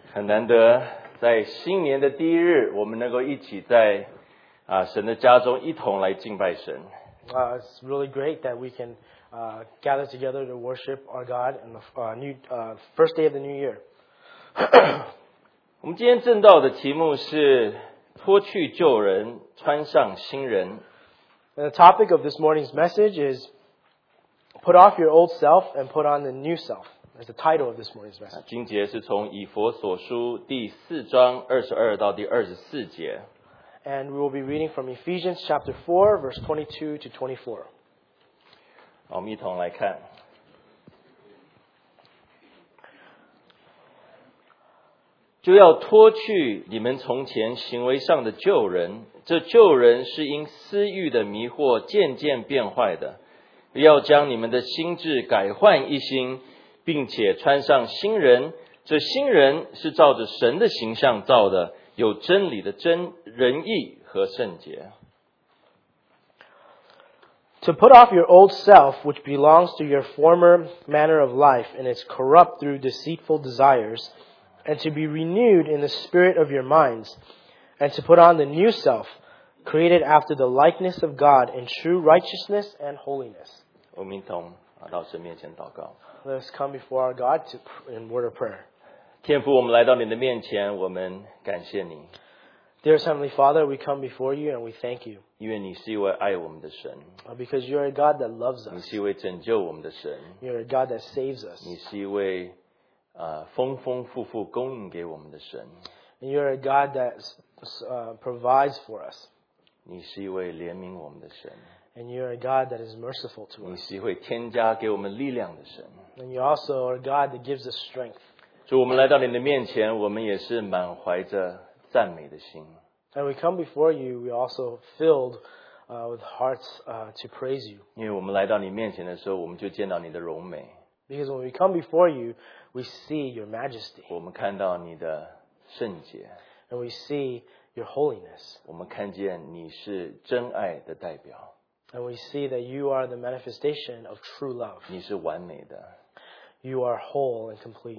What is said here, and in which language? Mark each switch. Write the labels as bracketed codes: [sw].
[zh] 很难得在新年的第一日，我们能够一起在神的家中一同来敬拜神。 [en] It's really great that we can gather together to worship our God on the first day of the New Year. [zh] 我们今天正道的题目是脱去旧人，穿上新人。 [en] And the topic of this morning's message is Put off your old self and put on the new self. That's the title of this morning's message. [zh] 经节是从以弗所书第四章二十二到第二十四节。 [en] And we will be reading from Ephesians chapter 4, verse 22 to 24. [zh] 我们一同来看。就要脱去你们从前行为上的旧人，这旧人是因私欲的迷惑渐渐变坏的。要将你们的心智改换一新，并且穿上新人，这新人是照着神的形象造的，有真理的真仁义和圣洁。 [en] To put off your old self, which belongs to your former manner of life, and is corrupt through deceitful desires, and to be renewed in the spirit of your minds, and to put on the new self, created after the likeness of God in true righteousness and holiness. [zh] 我们一同到神面前祷告。 [en] Let's come before our God in word of prayer. [zh] 天父，我们来到你的面前，我们感谢你。 [en] Dear Heavenly Father, we come before you and we thank you. [zh] 因为你是一位爱我们的神。 [en] Because you are a God that loves us. [zh] 你是一位拯救我们的神。 [en] You are a God that saves us. [zh] 你是一位丰丰富富供应给我们的神。 [en] And you are a God that provides for us. [zh] 你是一位怜悯我们的神。 [en] And you are a God that is merciful to us. [zh] 你是一位添加给我们力量的神。 [en] And you also are a God that gives us strength. [zh] 主，我们来到你的面前，我们也是满怀着赞美的心。 [en] And we come before you, we also filled with hearts to praise you. [zh] 因为我们来到你面前的时候，我们就见到你的荣美。 [en] Because when we come before you, we see your majesty. [zh] 我们看到你的圣洁。 [en] And we see your holiness. [zh] 我们看见你是真爱的代表。 [en] And we see that you are the manifestation of true love. [zh] 你是完美的。 [en] You are whole and complete.